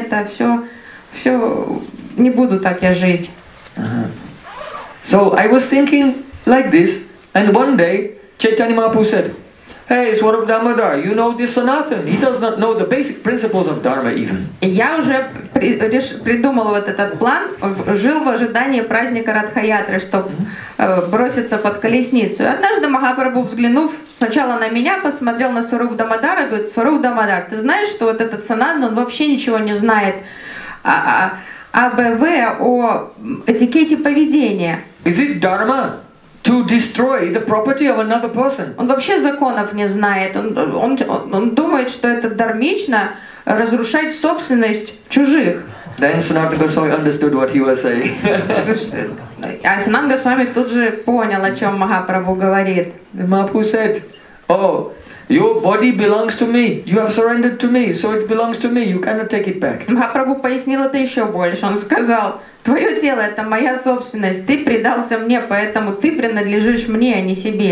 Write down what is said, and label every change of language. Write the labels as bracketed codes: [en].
[ru] Это все, все. Не буду так я жить. [en] So I was thinking like this, and one day Chaitanya Mahaprabhu said, Hey, Swarup Damodar, you know this sanatan? He does not know the basic principles of dharma even. [ru] Я уже придумал вот этот план, жил в ожидании праздника Радхаятры, чтобы броситься под колесницу. Однажды Махапрабху, взглянув сначала на меня, посмотрел на Свароп Дамодара и говорит: Свароп Дамодар, ты знаешь, что вот этот санатан, он вообще ничего не знает АБВ, о этикете поведения. [en] Is it dharma to destroy the property of another person? [ru] Он вообще законов не знает. Он думает, что это дармично разрушать собственность чужих. [en] Then Sananda Goswami understood what he was saying. [ru] А Сананда Госвами тут же понял, о чем Махапрабху говорит. [en] Mahaprabhu said, oh, your body belongs to me. You have surrendered to me, so it belongs to me. You cannot take it back. [ru] Махапрабху пояснил это еще больше. Он сказал: твое тело — это моя собственность. Ты предался мне, поэтому ты принадлежишь мне, а не себе.